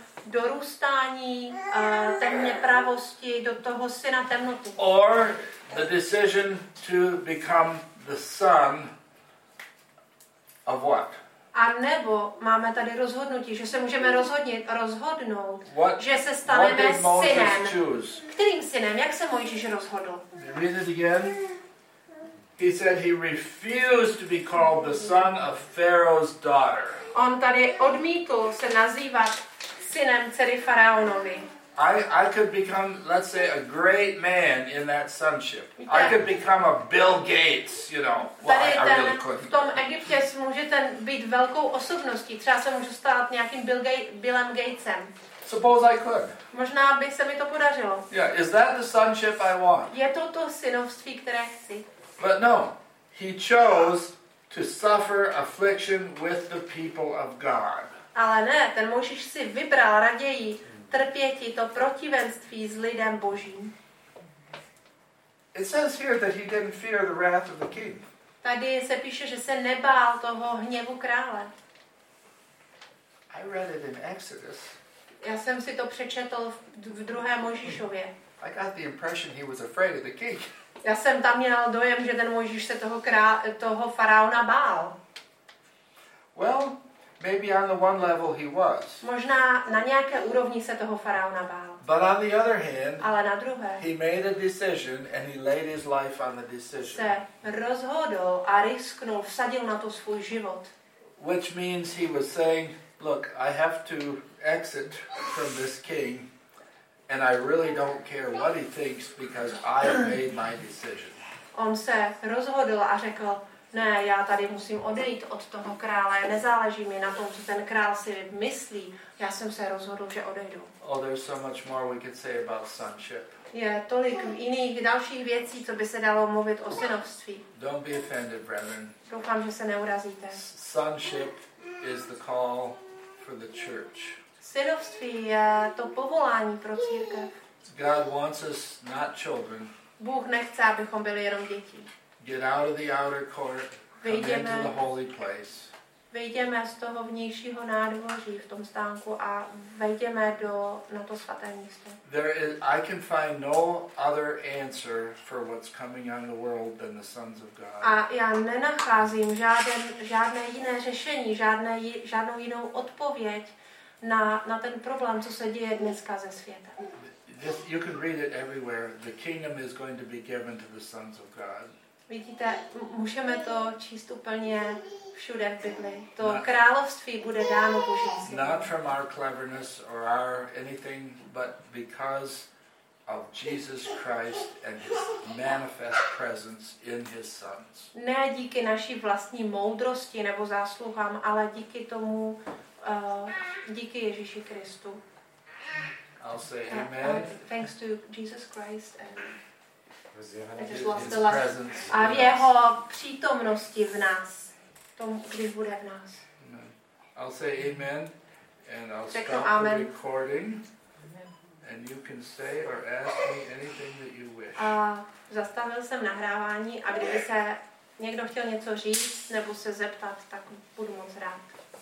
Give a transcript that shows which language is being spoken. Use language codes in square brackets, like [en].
[cs] dorůstání té nepravosti do toho syna temnoty. [en] Or the decision to become the son of what? [cs] A nebo máme tady rozhodnutí, že se můžeme rozhodnout, [en] what, [cs] že se staneme synem. Kterým synem? Jak se Mojžíš rozhodl? [en] Read it again. He said he refused to be called the son of Pharaoh's daughter. [cs] On tady odmítl se nazývat synem dcery faraonovy. [en] I could become, let's say, a great man in that sonship. I could become a Bill Gates, you know. Well, I really could. [cs] V tom Egyptě můžete být velkou osobností. Třeba se můžu stát nějakým Billem Gatesem. [en] Suppose I could. [cs] Možná by se mi to podařilo. [en] Yeah, is that the sonship I want? [cs] Je to to synovství, které chci. [en] But no, he chose to suffer affliction with the people of God. [cs] Ale ne, ten Mojžíš si vybral raději trpěti to protivenství s lidem Božím. [en] It says here that he didn't fear the wrath of the king. [cs] Tady se píše, že se nebál toho hněvu krále. [en] I read it in Exodus. [cs] Já jsem si to přečetl v druhé Mojžíšově. [en] I got the impression he was afraid of the king. [cs] Já jsem tam měl dojem, že ten Mojžíš se toho faraona bál. [en] Well, maybe on the one level he was. [cs] Možná na nějaké úrovni se toho faraona bál. [en] But on the other hand, [cs] ale na druhé, [en] he made a decision and he laid his life on the decision. [cs] Se rozhodl a risknul, vsadil na to svůj život. [en] Which means he was saying, look, I have to exit from this king and I really don't care what he thinks because I made my decision. [cs] On se rozhodl a řekl, ne, já tady musím odejít od toho krále. Nezáleží mi na tom, co ten král si myslí. Já jsem se rozhodl, že odejdu. [en] Oh, there's so much more we could say about sonship. [cs] Je tolik jiných dalších věcí, co by se dalo mluvit o synovství. [en] Don't be offended, brethren. [cs] Doufám, že se neurazíte. [en] Sonship is the call for the church. [cs] Synovství je to povolání pro církev. [en] God wants us not children. [cs] Bůh nechce, abychom byli jenom děti. [en] Get out of the outer court. [cs] Vejdeme do [en] the holy place. [cs] Vejdeme z toho vnějšího nádvoří v tom stánku a vejdeme do na to svaté místo. [en] There is, I can find no other answer for what's coming on the world than the sons of God. [cs] A já nenacházím žádné jiné řešení, žádnou jinou odpověď na ten problém, co se děje dneska ze světa. [en] This, you can read it everywhere. The kingdom is going to be given to the sons of God. [cs] Vidíte, můžeme to číst úplně všude v Bibli. To království bude dáno Boží synům. [en] Not from our cleverness or our anything, but because of Jesus Christ and his manifest presence in his sons. [cs] Ne díky naší vlastní moudrosti nebo zásluhám, ale díky tomu, díky Ježíši Kristu. [en] I'll say amen. Thanks to Jesus Christ and presence, [cs] a v jeho přítomnosti v nás, tom, kdy bude v nás. [en] Amen. I'll say amen and I'll [cs] řeknu [en] stop amen. The recording and you can say or ask me anything that you wish. [cs] A zastavil jsem nahrávání a kdyby se někdo chtěl něco říct nebo se zeptat, tak budu moc rád.